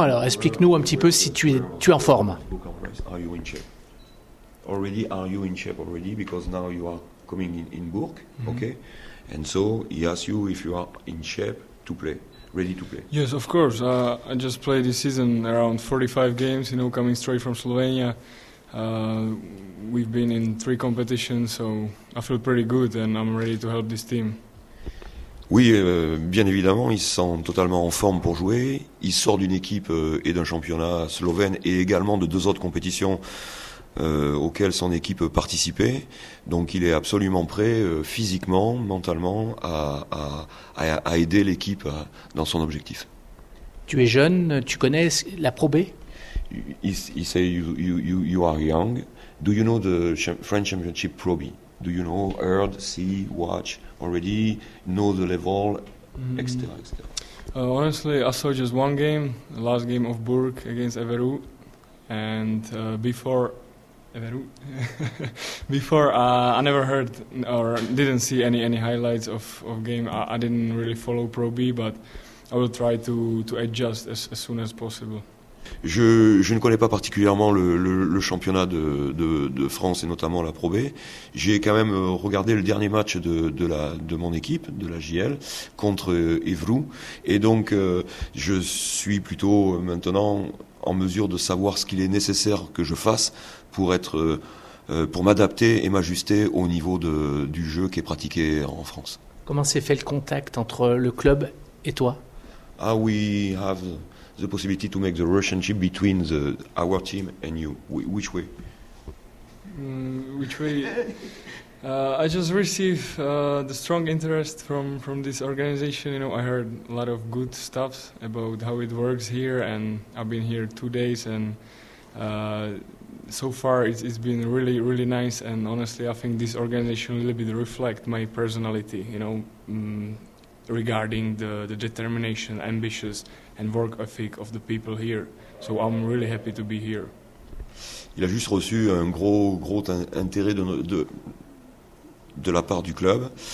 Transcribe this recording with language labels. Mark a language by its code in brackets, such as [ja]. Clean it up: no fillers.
[fr] Alors explique-nous un petit peu si tu es en forme. [en] Are you in shape? Already, are you in shape already? Because now you are coming in Bourg, okay? And so he asks you if you are in shape to play, ready to play. Yes, of course. I just played this season around 45 games, you know, coming straight from Slovenia. We've been in three competitions, so I feel pretty good and I'm ready to help this team. [fr] Oui, bien évidemment, il se sent totalement en forme pour jouer. Il sort d'une équipe et d'un championnat slovène et également de deux autres compétitions auxquelles son équipe participait. Donc il est absolument prêt physiquement, mentalement, à aider l'équipe dans son objectif. Tu es jeune, tu connais la Pro B? [en] He say you are young. Do you know the French Championship Pro B? Do you know, heard, see, watch already, know the level, etc. Honestly, I saw just one game, the last game of Bourg against Everu, and before Everu, before I never heard or didn't see any highlights of game. I didn't really follow Pro B, but I will try to adjust as soon as possible. [fr] Je ne connais pas particulièrement le championnat de France et notamment la Pro B. J'ai quand même regardé le dernier match de mon équipe, de la JL, contre Évreux. Et donc, je suis plutôt maintenant en mesure de savoir ce qu'il est nécessaire que je fasse pour être, pour m'adapter et m'ajuster au niveau du jeu qui est pratiqué en France. Comment s'est fait le contact entre le club et toi? [en] Ah, we have the possibility to make the relationship between our team and you. Which way? Which way? I just received the strong interest from this organization. You know, I heard a lot of good stuff about how it works here, and I've been here 2 days, and so far it's been really, really nice. And honestly, I think this organization a little bit reflect my personality. You know. Regarding the determination, ambitious and work ethic of the people here. So I'm really happy to be here. [fr] Il a juste reçu un gros intérêt de la part du club.